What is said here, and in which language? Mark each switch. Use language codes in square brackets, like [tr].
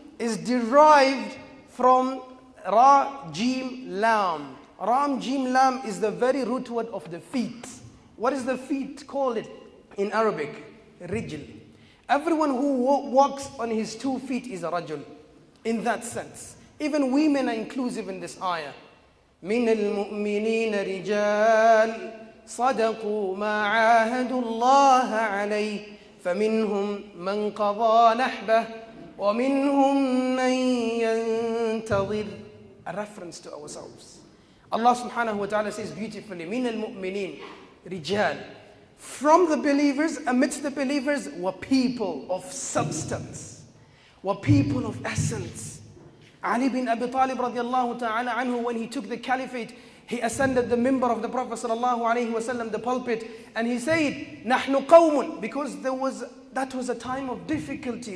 [en] is derived from Ra, Jim, Lam. Ram, Jim, Lam is the very root word of the feet. What is the feet? Call it in Arabic, Rijl. Everyone who walks on his two feet is a Rajul, in that sense. Even women are inclusive in this ayah. [ar] من المؤمنين رجال صدقوا ما عاهدوا الله عليه فمنهم من قضى نحبه ومنهم من ينتظر. [en] A reference to ourselves. Allah subhanahu wa ta'ala says beautifully, [ar] من المؤمنين رجال. [en] From the believers, amidst the believers, were people of substance, were people of essence. Ali bin Abi Talib radiallahu ta'ala anhu, when he took the caliphate, he ascended the member of the Prophet sallallahu alayhi wasallam, the pulpit, and he said, [ar] نَحْنُ قَوْمٌ, [en] because that was a time of difficulty.